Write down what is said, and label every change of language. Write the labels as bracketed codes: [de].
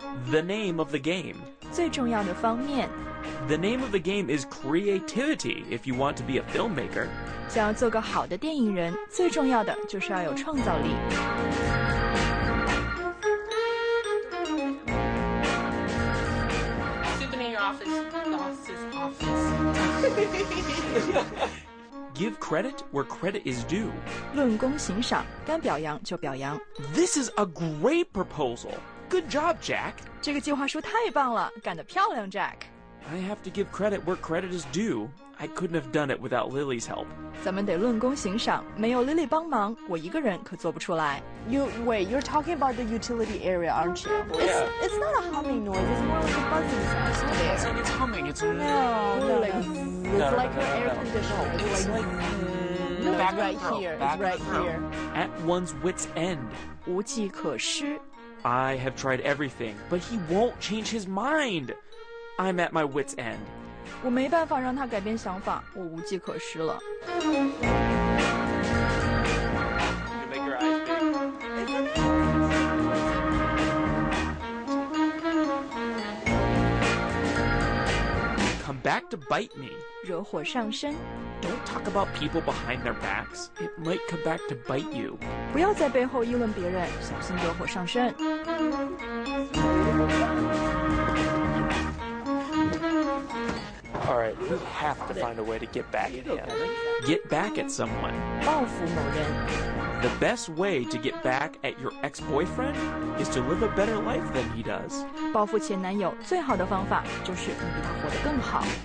[en] The name of the game. [zh] 最重要的方面。 [en] The name of the game is creativity if you want to be a filmmaker. [zh] 想要做个好的电影人，最重要的就是要有创造力。 [en] Sitting in your office. Give credit where credit is due. [zh] 论功行赏，该表扬就表扬。 [en] This is a great proposal. Good job, Jack. [zh] 这个计划书太棒了，干得漂亮 ，Jack. [en] I have to give credit where credit is due. I couldn't have done it without Lily's help. [zh] 咱们得论功行赏，没有 Lily 帮忙，我一个人可做不出来。 [en] You're talking about the utility area, aren't you? It's not a humming noise. It's more like a buzzing sound. It's like it's humming. It's no, no, no, no. It's like an air conditioner. It's like back right here. At one's wit's end. [zh] 无计可施。 [en] I have tried everything, but he won't change his mind. I'm at my wit's end. [zh] 我没办法让他改变想法，我无计可施了。 [en] Come back to bite me. [zh] 惹火上身。 [en] Don't talk about people behind their backs. It might come back to bite you. [zh] 不要在背后议论别人，小心惹火上身。 [en] All right, we have to find a way to get back at him. Get back at someone. [zh] 报复某人。 [en] The best way to get back at your ex-boyfriend is to live a better life than he does. [zh] 报复前男友最好的方法就是能比他活得更好。